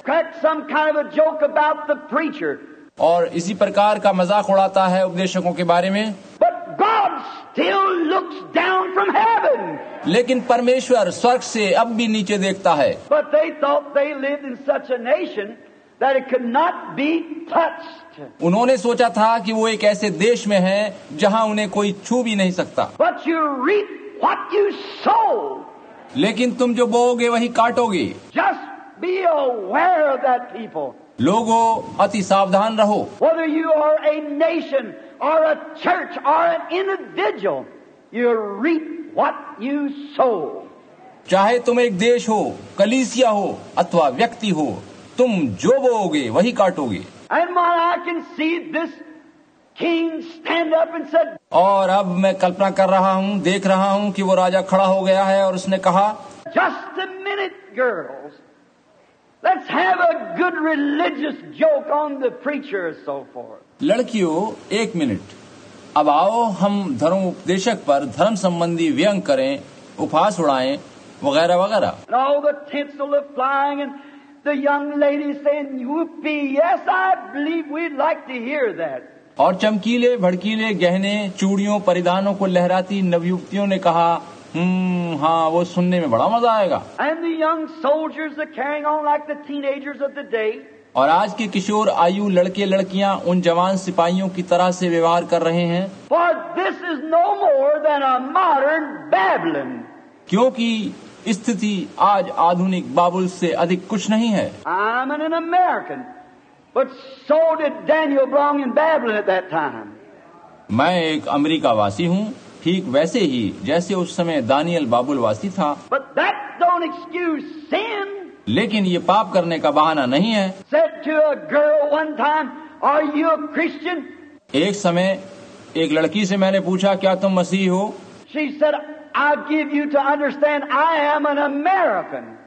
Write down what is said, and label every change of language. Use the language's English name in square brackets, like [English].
[English] Crack some kind of a joke about the preacher. [Hindi] और इसी प्रकार का मजाक उड़ाता है उपदेशकों के बारे में. [English] But God still looks down from heaven. [Hindi] लेकिन परमेश्वर स्वर्ग से अब भी नीचे देखता है. [English] But they thought they lived in such a nation that it could not be touched. [Hindi] उन्होंने सोचा था कि वो एक ऐसे देश में है जहां उन्हें कोई छू भी नहीं सकता. [English] But you reap what you sow. [Hindi] लेकिन तुम जो बोओगे वही काटोगे. [English] Just be aware of that people. [Hindi] लोगो अति सावधान रहो. [English] Whether you are a nation or a church or an individual, you reap what you sow. [Hindi] चाहे तुम एक देश हो, कलीसिया हो अथवा व्यक्ति हो, तुम जो बोओगे वही काटोगे. [English] And when I can see this King stand up and said. [Hindi] और अब मैं कल्पना कर रहा हूँ, देख रहा हूँ कि वो राजा खड़ा हो गया है और उसने कहा. [English] Just a minute, girls. Let's have a good religious joke on the preacher and so forth. [Hindi] लड़कियों, एक मिनट. अब आओ हम धर्म उपदेशक पर धर्म संबंधी व्यंग करें, उपहास उड़ाएं, वगैरह वगैरह. [English] And all the tinsel of flying and the young ladies saying, "Whoopee! Yes, I believe we'd like to hear that." [Hindi] और चमकीले भड़कीले गहने चूड़ियों परिधानों को लहराती नवयुवतियों ने कहा, हाँ वो सुनने में बड़ा मजा आएगा. [English] And the young soldiers are carrying on like the teenagers of the day. [Hindi] और आज के किशोर आयु लड़के लड़कियाँ उन जवान सिपाहियों की तरह से व्यवहार कर रहे हैं. [English] For this is no more than a modern Babylon. [Hindi] क्योंकि स्थिति आज आधुनिक बाबुल से अधिक कुछ नहीं है. [English] I'm an American. But so did Daniel belong in Babylon at that time. [Hindi] मैं एक अमेरिका वासी हूँ, ठीक वैसे ही जैसे उस समय दानियल बाबुल वासी था. [English] But that don't excuse sin. [Hindi] लेकिन ये पाप करने का बहाना नहीं है. [English] Said to a girl one time, "Are you a Christian?" [Hindi] एक समय एक लड़की से मैंने पूछा, क्या तुम मसीह हो? [English] She said, I give you to understand I am an American.